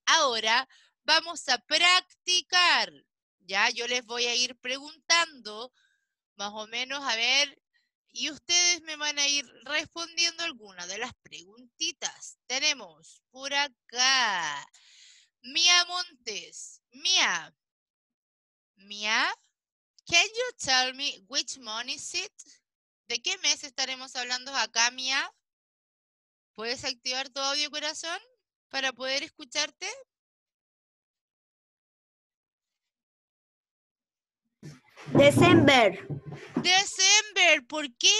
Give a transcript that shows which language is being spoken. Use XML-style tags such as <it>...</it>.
<es>Ahora, vamos a practicar, ¿ya? Yo les voy a ir preguntando, más o menos, a ver, y ustedes me van a ir respondiendo alguna de las preguntitas. Tenemos por acá, Mia Montes.</es> <en>Mia, Mia, can you tell me which month is it?</en> <es>¿De qué mes estaremos hablando acá, Mia? ¿Puedes activar tu audio, corazón, para poder escucharte?</es> <en>December.</en> <es>December, ¿por qué?</es>